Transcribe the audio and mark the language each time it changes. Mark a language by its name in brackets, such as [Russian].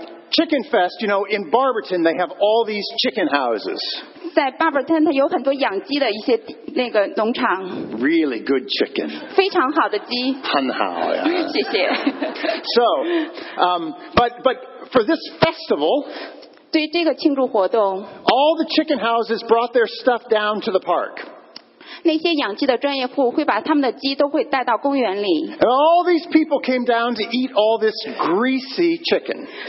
[English] Chicken Fest, you know, in Barberton, they have all these chicken houses. [Chinese] 在巴伯顿，它有很多养鸡的一些那个农场。 [English] Really good chicken. [Chinese] 非常好的鸡。很好, yeah. 谢谢。 [English] So, but for this festival, [Chinese] 对这个庆祝活动, [English] all the chicken houses brought their stuff down to the park. [Chinese] 那些养鸡的专业户会把他们的鸡都会带到公园里。 [English] And all these people came down to eat all this greasy chicken.